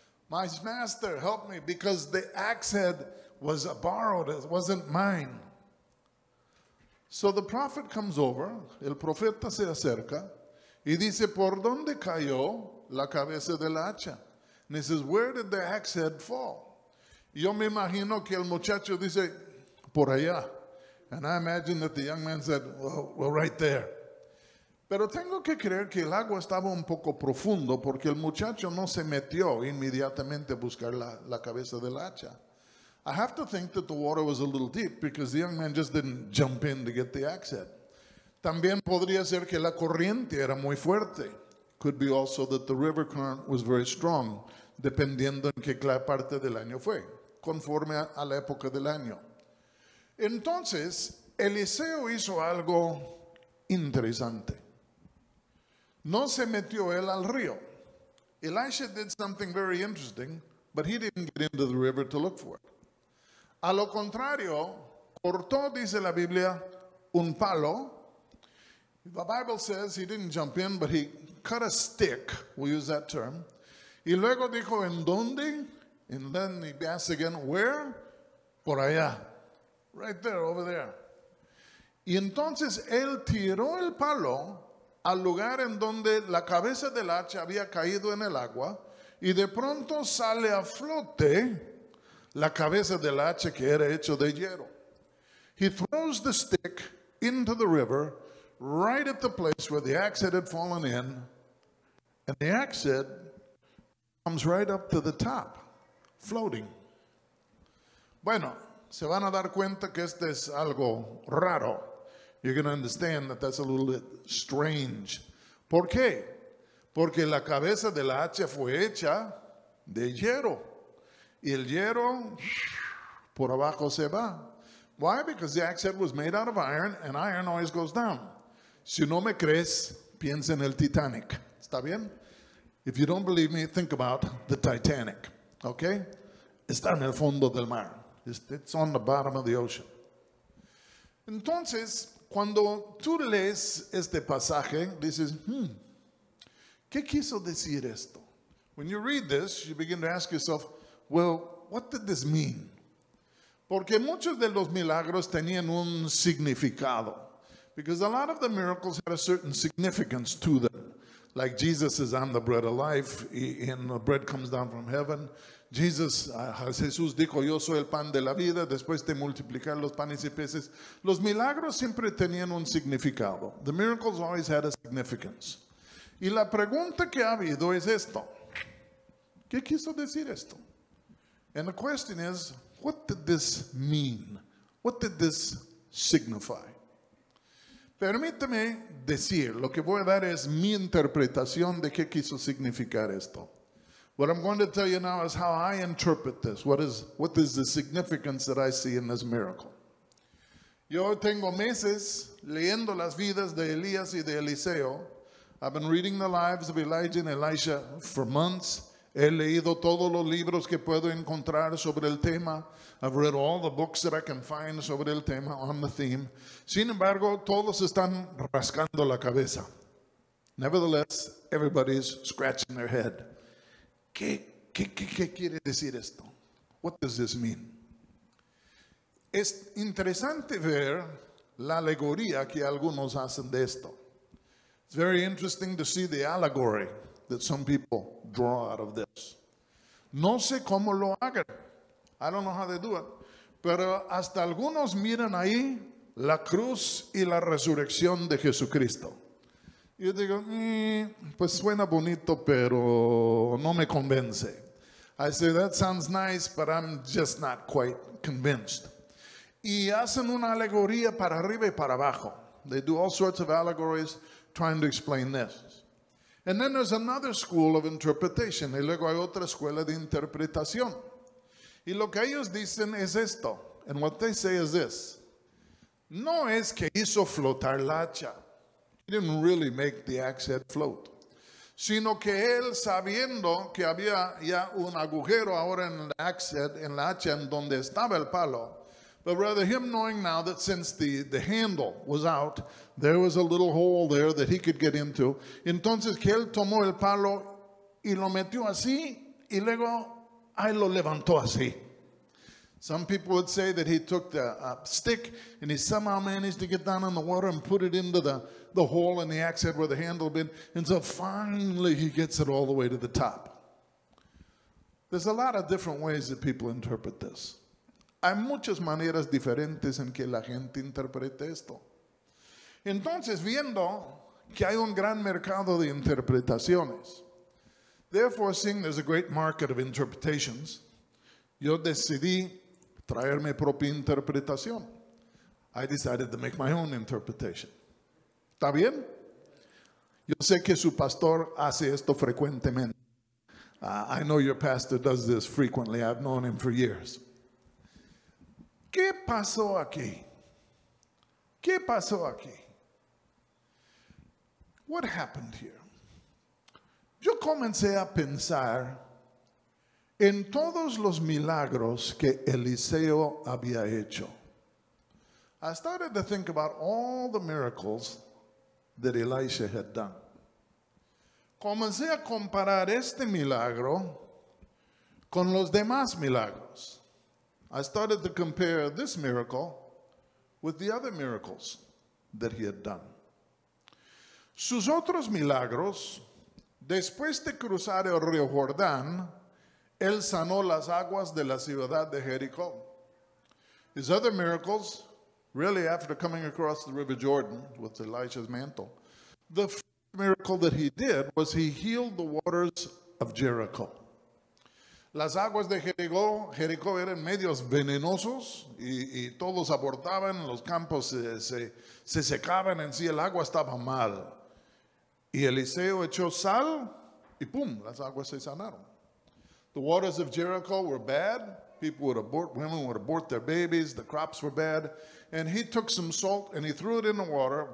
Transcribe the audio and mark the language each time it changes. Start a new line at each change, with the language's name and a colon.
English: My master, help me, because the axe head was borrowed, it wasn't mine. So the prophet comes over,
Spanish: el profeta se acerca, y dice, ¿por dónde cayó la cabeza de la hacha?
English: And he says, where did the axe head fall?
Spanish: Yo me imagino que el muchacho dice, por allá.
English: And I imagine that the young man said, well, right there.
Spanish: Pero tengo que creer que el agua estaba un poco profundo, porque el muchacho no se metió inmediatamente a buscar la cabeza de la hacha.
English: I have to think that the water was a little deep because the young man just didn't jump in to get the axe head.
Spanish: También podría ser que la corriente era muy fuerte.
English: Could be also that the river current was very strong,
Spanish: dependiendo en qué parte del año fue, conforme a la época del año. Entonces, Eliseo hizo algo interesante. No se metió él al río.
English: Elisha did something very interesting, but he didn't get into the river to look for it.
Spanish: A lo contrario, cortó, dice la Biblia, un palo.
English: The Bible says he didn't jump in, but he cut a stick. We use that term.
Spanish: Y luego dijo, ¿en dónde?
English: And then he asked again, where?
Spanish: Por allá.
English: Right there, over there.
Spanish: Y entonces él tiró el palo al lugar en donde la cabeza del hacha había caído en el agua. Y de pronto sale a flote la cabeza del hacha que era hecho de hierro.
English: He throws the stick into the river, right at the place where the axe had fallen in, and the axe comes right up to the top, floating.
Spanish: Bueno, se van a dar cuenta que este es algo raro.
English: You're going to understand that that's a little bit strange.
Spanish: ¿Por qué? Porque la cabeza de la hacha fue hecha de hierro. Y el hierro por abajo se va.
English: Why? Because the axe head was made out of iron, and iron always goes down.
Spanish: Si no me crees, piensa en el Titanic. ¿Está bien?
English: If you don't believe me, think about the Titanic. Okay?
Spanish: Está en el fondo del mar.
English: It's on the bottom of the ocean.
Spanish: Entonces, cuando tú lees este pasaje, dices, ¿qué quiso decir esto?
English: When you read this, you begin to ask yourself, well, what did this mean?
Spanish: Porque muchos de los milagros tenían un significado.
English: Because a lot of the miracles had a certain significance to them. Like Jesus is on the bread of life, and the bread comes down from heaven.
Spanish: Jesus, Jesús dijo, yo soy el pan de la vida, después de multiplicar los panes y peces. Los milagros siempre tenían un significado.
English: The miracles always had a significance.
Spanish: Y la pregunta que ha habido es esto. ¿Qué quiso decir esto?
English: And the question is, what did this mean? What did this signify?
Spanish: Permíteme decir, lo que voy a dar es mi interpretación de qué quiso significar esto.
English: What I'm going to tell you now is how I interpret this. What is the significance that I see in this miracle?
Spanish: Yo tengo meses leyendo las vidas de Elías y de Eliseo.
English: I've been reading the lives of Elijah and Elisha for months.
Spanish: He leído todos los libros que puedo encontrar sobre el tema.
English: I've read all the books that I can find
Spanish: sobre el tema,
English: on the theme.
Spanish: Sin embargo, todos están rascando la cabeza.
English: Nevertheless, everybody's scratching their head.
Spanish: ¿Qué quiere decir esto?
English: What does this mean?
Spanish: Es interesante ver la alegoría que algunos hacen de esto.
English: It's very interesting to see the allegory that some people draw out of this.
Spanish: No sé cómo lo hagan.
English: I don't know how they do it.
Spanish: Pero hasta algunos miran ahí la cruz y la resurrección de Jesucristo. Yo digo, pues suena bonito, pero no me convence.
English: I say, that sounds nice, but I'm just not quite convinced.
Spanish: Y hacen una alegoría para arriba y para abajo.
English: They do all sorts of allegories trying to explain this. And then there's another school of interpretation.
Spanish: Y luego hay otra escuela de interpretación. Y lo que ellos dicen es esto.
English: And what they say is this.
Spanish: No es que hizo flotar la hacha.
English: He didn't really make the axe head float.
Spanish: Sino que él, sabiendo que había ya un agujero ahora en la axe head, en la hacha, en donde estaba el palo.
English: But rather him knowing now that since the handle was out, there was a little hole there that he could get into.
Spanish: Entonces que él tomó el palo y lo metió así y luego ahí lo levantó así.
English: Some people would say that he took the stick and he somehow managed to get down in the water and put it into the hole in the axe head where the handle had been. And so finally he gets it all the way to the top. There's a lot of different ways that people interpret this.
Spanish: Hay muchas maneras diferentes en que la gente interprete esto. Entonces, viendo que hay un gran mercado de interpretaciones,
English: therefore, seeing there's a great market of interpretations,
Spanish: yo decidí traer mi propia interpretación.
English: I decided to make my own interpretation.
Spanish: ¿Está bien? Yo sé que su pastor hace esto frecuentemente.
English: I know your pastor does this frequently. I've known him for years.
Spanish: ¿Qué pasó aquí? ¿Qué pasó aquí?
English: What happened here?
Spanish: Yo comencé a pensar en todos los milagros que Eliseo había hecho.
English: I started to think about all the miracles that Elisha had done.
Spanish: Comencé a comparar este milagro con los demás milagros.
English: I started to compare this miracle with the other miracles that he had done.
Spanish: Sus otros milagros Después de cruzar el río Jordán, él sanó las aguas de la ciudad de Jericó.
English: His other miracles, really after coming across the River Jordan with Elijah's mantle, the first miracle that he did was he healed the waters of Jericho.
Spanish: Las aguas de Jericó eran medios venenosos y todos abortaban, los campos se secaban en sí, el agua estaba mal. Y Eliseo echó sal y pum, las aguas se sanaron.
English: The waters of Jericho were bad. People would abort, women would abort their babies. The crops were bad. And he took some salt and he threw it in the water.